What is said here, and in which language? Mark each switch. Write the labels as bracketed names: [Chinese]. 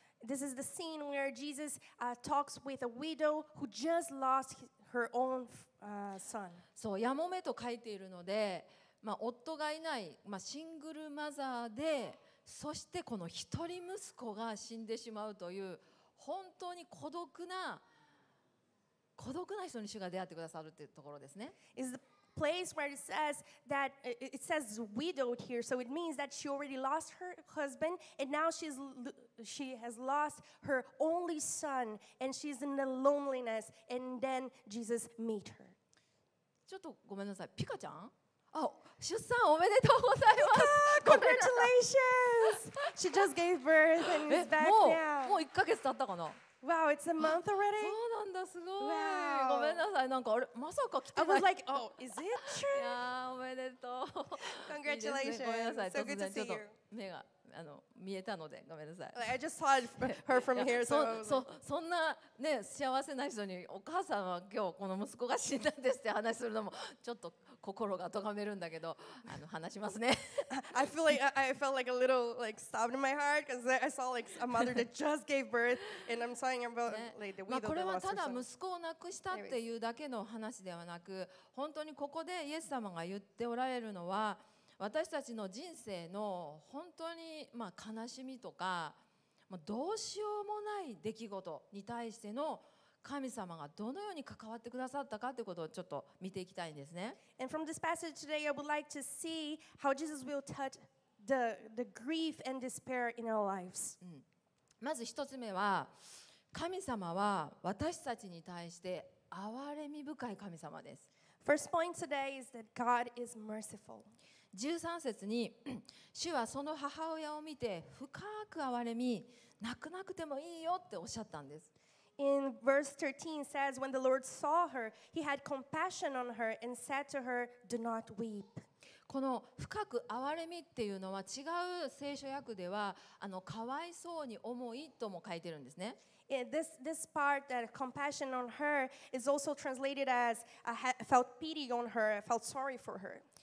[English] This is the scene where Jesus talks with a widow who just lost her own son. [Japanese] そう、やもめと書いているので、まあ、夫がいない、まあ、シングルマザーで、そしてこの一人息子が死んでしまうという本当に孤独な人に主が出会ってくださるというところですね。 [English] Is the place where it says that it says widowed here, so it means that she already lost her husband and now she has lost her only son and she's in the loneliness and then Jesus meet her. [Japanese] ちょっとごめんなさい、ピカちゃん。あ、出産おめでとうございます。 [English] Congratulations! She just gave birth and is back now. [Japanese] もう1ヶ月経ったかな。 [English] Wow, it's a month already. [Japanese] そうなんだ、すごい。ごめんなさい、なんかあれまさか来てない。 [English] I was like, oh, is it true? [Japanese] いやー、おめでとう。 [English] Congratulations. [Japanese] ごめんなさい、突然ちょっと目が見えたのでごめんなさい。 [English] I just saw her from here, so. [Japanese] そんなね幸せな人にお母さんは今日この息子が死んだんですって話するのもちょっと。心が咎めるんだけど、話しますね。 [English] I feel like I felt like a little like stabbed in my heart because I saw like a mother that just gave birth and I'm sorry about like the widow. [Japanese] まあこれはただ息子を亡くしたっていうだけの話ではなく、本当にここでイエス様が言っておられるのは、私たちの人生の本当にまあ悲しみとか、まあどうしようもない出来事に対しての。神様がどのように関わってくださったかということをちょっと見ていきたいんですね。 [English] And from this passage today, I would like to see how Jesus will touch the grief and despair in our lives. [Japanese] まず一つ目は、神様は私たちに対して憐れみ深い神様です。 [English] First point today is that God is merciful. [Japanese] 13節に、主はその母親を見て深く憐れみ、泣かなくてもいいよっておっしゃったんです。 [English] In verse 13 says, when the Lord saw her, he had compassion on her and said to her, "Do not weep." [Japanese] この深く憐れみっていうのは違う聖書訳ではかわいそうに思いとも書いてるんですね。 [English] This part that compassion on her is also translated as I felt pity on her, I felt sorry for her.